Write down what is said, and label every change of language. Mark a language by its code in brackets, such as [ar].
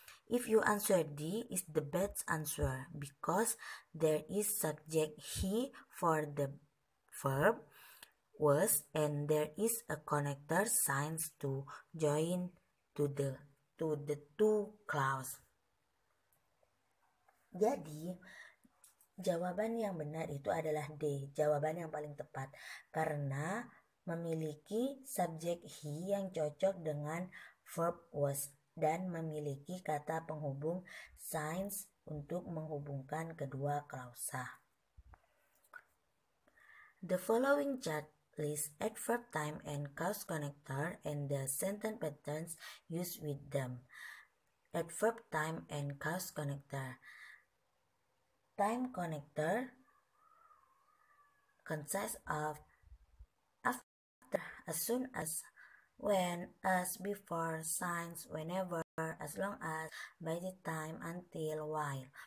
[en] If you answer D is the best answer because there is subject he for the verb was and there is a connector signs to join to the two clause. [id] Jadi jawaban yang benar itu adalah D, jawaban yang paling tepat karena memiliki subject he yang cocok dengan verb was dan memiliki kata penghubung since untuk menghubungkan kedua klausa. [en] The following chart lists adverb time and clause connector and the sentence patterns used with them. Adverb time and clause connector. Time connector consists of after, as soon as, when, as, before, since, whenever, as long as, by the time, until, while.